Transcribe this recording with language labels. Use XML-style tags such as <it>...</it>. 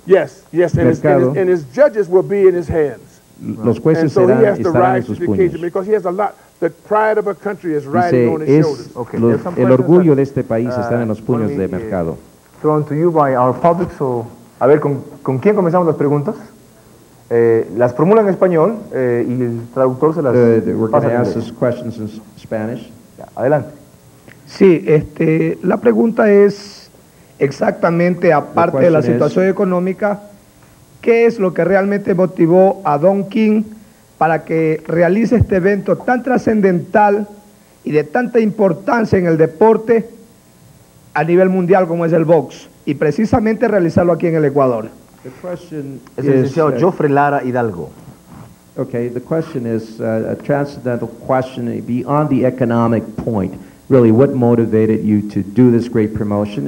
<en>Yes, and his judges will be in his hands.</en> <es>Los jueces serán,</es> <en>he has to rise to the occasion because he has a lot. The pride of a country is riding on his shoulders.</en> <es>El orgullo de este país está en los puños de Mercado.</es> <en>Thrown to you by our public.</en> <es>So, a ver, ¿con quién comenzamos las preguntas? Las formula en español y el traductor se las pasa.</es> <en>We're going to ask us questions in Spanish.</en> <es>Yeah, adelante. Sí, la pregunta es exactamente, aparte de la situación económica, ¿qué es lo que realmente motivó a Don King para que realice este evento tan trascendental y de tanta importancia en el deporte a nivel mundial como es el box, y precisamente realizarlo aquí en el Ecuador?</es> <en>The question</en> <es>es el licenciado</es> <en>Jofre Lara Hidalgo. Okay, the question is a transcendental question beyond the economic point. Really, what motivated you to do this great promotion?</en>